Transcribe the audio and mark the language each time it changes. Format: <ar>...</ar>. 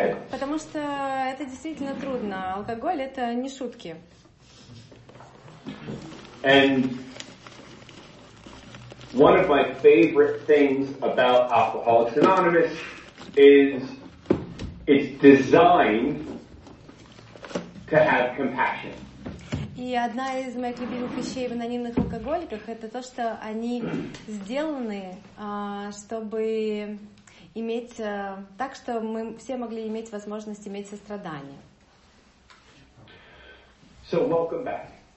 <ru>Потому что это действительно трудно. Алкоголь — это не шутки.</ru> <en>And one of my favorite things about Alcoholics Anonymous is it's designed to have compassion.</en> <ru>И одна из моих любимых вещей в анонимных алкоголиках — это то, что они сделаны, чтобы иметь так, что мы все могли иметь возможность иметь сострадание.</ru> <en>So welcome back.</en>